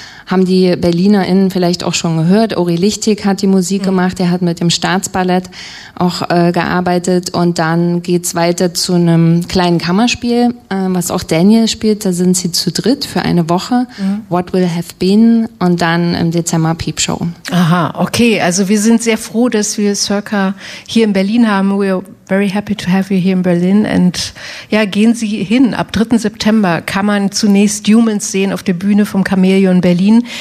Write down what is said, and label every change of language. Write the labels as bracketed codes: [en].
[de] Haben die BerlinerInnen vielleicht auch schon gehört. Ori Lichtig hat die Musik gemacht, er hat mit dem Staatsballett auch gearbeitet. Und dann geht's weiter zu einem kleinen Kammerspiel, was auch Daniel spielt. Da sind sie zu dritt für eine Woche. Mhm. What Will Have Been und dann im Dezember Peepshow. Aha, okay. Also wir sind sehr froh, dass wir Circa hier in Berlin haben. [en] We are very happy to have you here in Berlin. [de] And ja, gehen Sie hin. Ab 3. September kann man zunächst Humans sehen auf der Bühne vom Chamäleon Berlin.